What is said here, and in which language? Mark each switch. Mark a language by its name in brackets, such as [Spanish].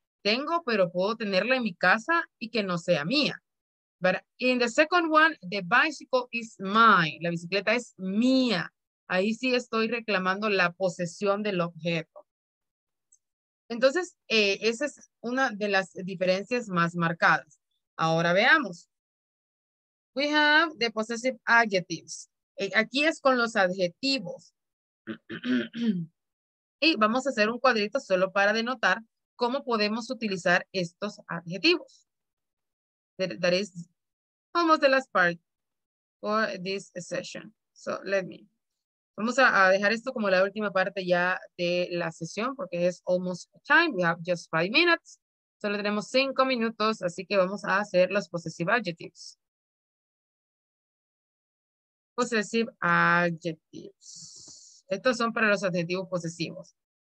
[Spanish] Tengo, pero puedo tenerla en mi casa y que no sea mía. [English] But in the second one, the bicycle is mine. [Spanish] La bicicleta es mía. Ahí sí estoy reclamando la posesión del objeto. Entonces, esa es una de las diferencias más marcadas. Ahora veamos. [English] We have the possessive adjectives. [Spanish] Aquí es con los adjetivos. Y vamos a hacer un cuadrito solo para denotar cómo podemos utilizar estos adjetivos. [English] That is almost the last part for this session. So, let me. [Spanish] Vamos a dejar esto como la última parte ya de la sesión porque es [English] almost time. We have just 5 minutes. [Spanish] Solo tenemos 5 minutos, así que vamos a hacer los possessive adjectives. Possessive adjectives. Estos son para los adjetivos posesivos.